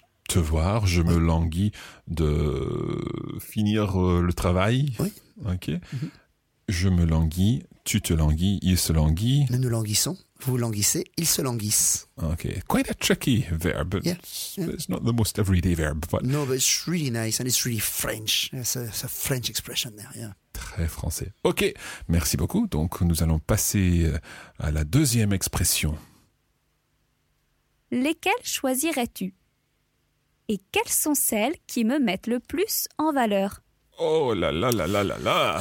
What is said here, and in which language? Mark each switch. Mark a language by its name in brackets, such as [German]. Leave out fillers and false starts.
[French] te voir, je me languis de finir le travail. Oui. Ok. Mm-hmm. Je me languis, tu te languis, il se languit. Nous nous languissons, vous languissez, ils se languissent. Ok. [English] Quite a tricky verb, but it's not the most everyday verb. But... No, but it's really nice and it's really French. It's a French expression there, yeah. [French] Très français. Ok, merci beaucoup. Donc, nous allons passer à la deuxième expression. Lesquelles choisirais-tu? Et quelles sont celles qui me mettent le plus en valeur? Oh là là là là là là!